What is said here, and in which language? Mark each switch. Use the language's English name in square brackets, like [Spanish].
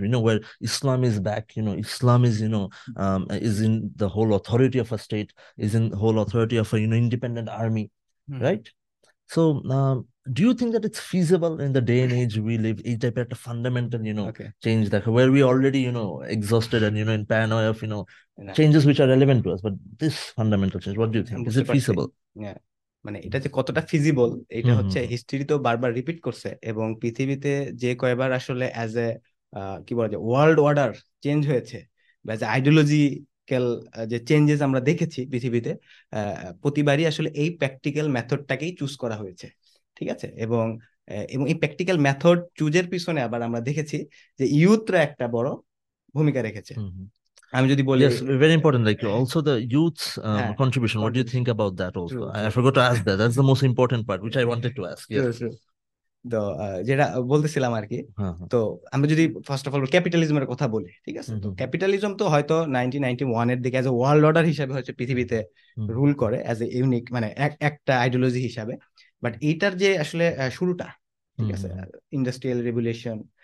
[English] We know where Islam is back, you know, Islam is, you know, is in the whole authority of a state, is in the whole authority of a, you know, independent army, right? So do you think that it's feasible in the day and age we live, it type of fundamental, you know, change that where we already, you know, exhausted and, you know, in paranoia of, you know, changes which are relevant to us, but this fundamental change, what do you think? Is it feasible? Yeah. [Bangla] মানে এটা যে কতটা feasible এটা হচ্ছে history তো বারবার repeat করছে এবং পৃথিবীতে যে কয়বার আসলে অ্যাজ এ কি বলা যায় ওয়ার্ল্ড অর্ডার চেঞ্জ হয়েছে বা যে আইডিওলজি যে চেঞ্জেস আমরা দেখেছি পৃথিবীতে প্রতিবারই আসলে এই প্র্যাকটিক্যাল মেথডটাকেই চুজ করা হয়েছে ঠিক আছে এবং এই প্র্যাকটিক্যাল মেথড চুজের পিছনে আবার আমরা দেখেছি যে ইউথরা একটা বড় ভূমিকা রেখেছে আমি যদি বলি [English] Yes, very important, like also the youth's contribution, what do you think about that also? True. I forgot to ask that, that's the most important part which I wanted to ask. Yes. [Bangla] তো যেটা বলতেছিলাম আর কি তো আমরা যদি [English] first of all [Bangla] ক্যাপিটালিজমের কথা বলি ঠিক আছে তো ক্যাপিটালিজম তো হয়তো 1991 এর দিকে অ্যাজ এ ওয়ার্ল্ড অর্ডার হিসেবে হচ্ছে পৃথিবীতে রুল করে অ্যাজ এ ইউনিক মানে একটা আইডিওলজি হিসাবে বাট এইটার যে আসলে শুরুটা ঠিক আছে ইন্ডাস্ট্রিয়াল রেভলিউশন